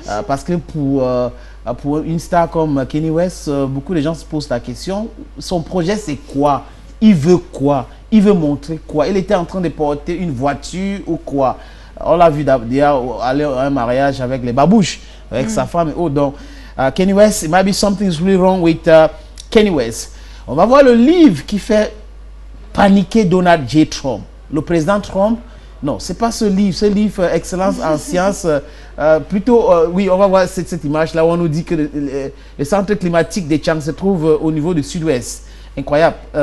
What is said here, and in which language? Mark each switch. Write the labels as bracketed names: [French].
[French] Parce que pour une star comme Kanye West, beaucoup de gens se posent la question. Son projet, c'est quoi? Il veut quoi? Il veut montrer quoi? Il était en train de porter une voiture ou quoi? On l'a vu aller à un mariage avec les babouches, avec sa femme. Oh, donc, [English] Kanye West, it might be something is really wrong with Kanye West. [French] On va voir le livre qui fait paniquer Donald J. Trump. Le président Trump, non, ce n'est pas ce livre. Ce livre, Excellence en sciences, oui, on va voir cette image-là où on nous dit que le centre climatique des Chang se trouve au niveau du sud-ouest. Incroyable.